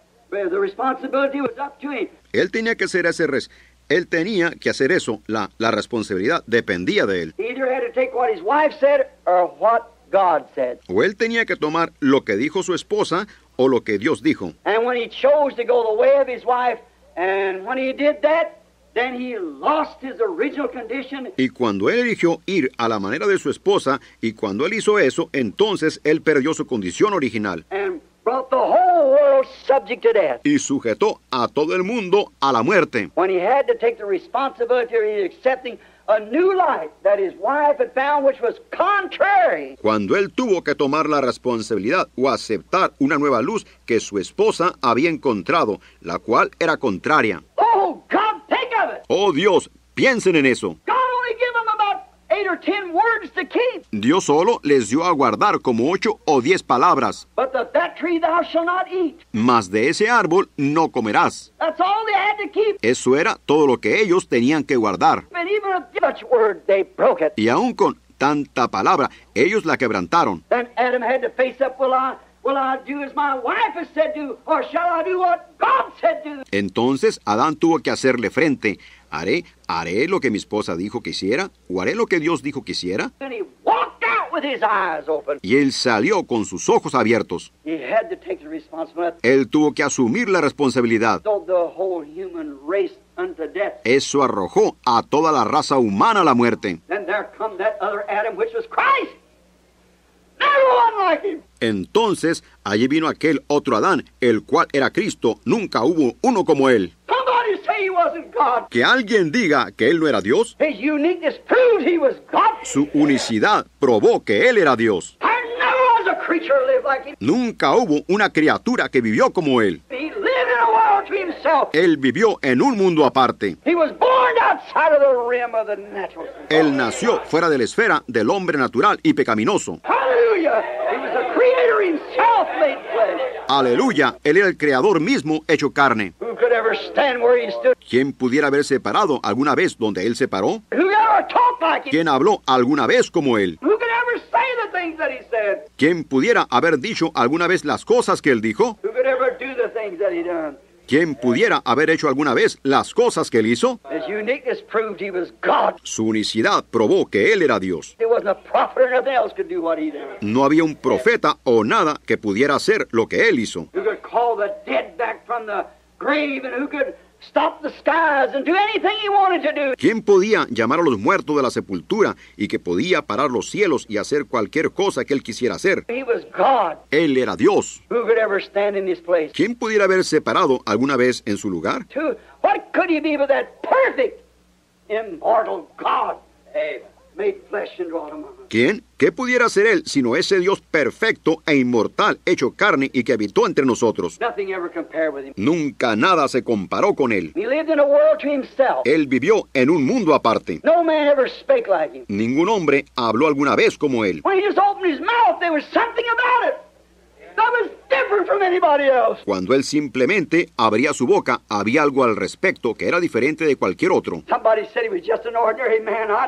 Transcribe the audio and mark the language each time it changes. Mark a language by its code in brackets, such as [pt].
[en] The responsibility was up to him. [es] Él tenía que hacer ese él tenía que hacer eso. La responsabilidad dependía de él. [en] He either had to take what his wife said or what God said. [es] O él tenía que tomar lo que dijo su esposa o lo que Dios dijo. [en] And when he chose to go the way of his wife, and when he did that, then he lost his original condition. [es] Y cuando él eligió ir a la manera de su esposa, y cuando él hizo eso, entonces él perdió su condición original. [en] And brought the whole world subject to death. [es] Y sujetó a todo el mundo a la muerte. [en] When he had to take the responsibility of accepting a new life that his wife had found, which was contrary. [es] Cuando él tuvo que tomar la responsabilidad o aceptar una nueva luz que su esposa había encontrado, la cual era contraria. [en] Oh, God, think of it. [es] Oh, Dios, piensen en eso. [en] God only gave him about 8 or 10 words to keep. [es] Dios solo les dio a guardar como 8 o 10 palabras. [en] But that tree thou shalt not eat. [es] Mas de ese árbol no comerás. [en] That's all they had to keep. [es] Eso era todo lo que ellos tenían que guardar. [en] And even with much word, they broke it. [es] Y aún con tanta palabra, ellos la quebrantaron. [en] Then Adam had to face up, will I do as my wife has said do, or shall I do what God said do? [es] Entonces Adán tuvo que hacerle frente. ¿Haré lo que mi esposa dijo que hiciera? ¿O haré lo que Dios dijo que hiciera? [en] And he walked out with his eyes open. [es] Y él salió con sus ojos abiertos. [en] He had to take the responsibility. [es] Él tuvo que asumir la responsabilidad. [en] So the whole human race unto death. [es] Eso arrojó a toda la raza humana a la muerte. [en] Then there come that other Adam, which was Christ. Never one like him. [es] Entonces, allí vino aquel otro Adán, el cual era Cristo. Nunca hubo uno como él. [en] He wasn't God. [es] Que alguien diga que él no era Dios. [en] His uniqueness proved he was God. [es] Su unicidad probó que él era Dios. [en] There never was a creature live like him. [es] Nunca hubo una criatura que vivió como él. [en] He lived in a world to himself. [es] Él vivió en un mundo aparte. [en] He was born outside of the realm of the natural. [es] Él nació fuera de la esfera del hombre natural y pecaminoso. [en] Hallelujah. He was a creator himself made flesh. [es] Aleluya, él era el creador mismo hecho carne. [en] Who could ever stand where he stood? [es] ¿Quién pudiera haberse parado alguna vez donde él se paró? [en] Who could ever talk like him? [es] ¿Quién habló alguna vez como él? [en] Who could ever say the things that he said? [es] ¿Quién pudiera haber dicho alguna vez las cosas que él dijo? [en] Who could ever do the things that he done? [es] ¿Quién pudiera haber hecho alguna vez las cosas que él hizo? [en] His uniqueness proved he was God. [es] Su unicidad probó que él era Dios. [en] There wasn't a prophet or nothing else could do what he did. [es] No había un profeta o nada que pudiera hacer lo que él hizo. [en] Who could call the dead back from the grave and who could stop the skies and do anything he wanted to do? [es] ¿Quién podía llamar a los muertos de la sepultura y que podía parar los cielos y hacer cualquier cosa que él quisiera hacer? [en] He was God. [es] Él era Dios. [en] Who could ever stand in his place? [es] ¿Quién pudiera haberse parado alguna vez en su lugar? [en] What could he be but that perfect, immortal God? Made flesh and dwelt among us. [es] ¿Quién? ¿Qué pudiera ser él sino ese Dios perfecto e inmortal hecho carne y que habitó entre nosotros? [en] Nothing ever compared with him. [es] Nunca nada se comparó con él. [en] He lived in a world to himself. [es] Él vivió en un mundo aparte. [en] No man ever spake like him. [es] Ningún hombre habló alguna vez como él. [en] When he just opened his mouth, there was something about it. That was different from anybody else. [es] Cuando él simplemente abría su boca, había algo al respecto que era diferente de cualquier otro. [en] Somebody said he was just an ordinary man.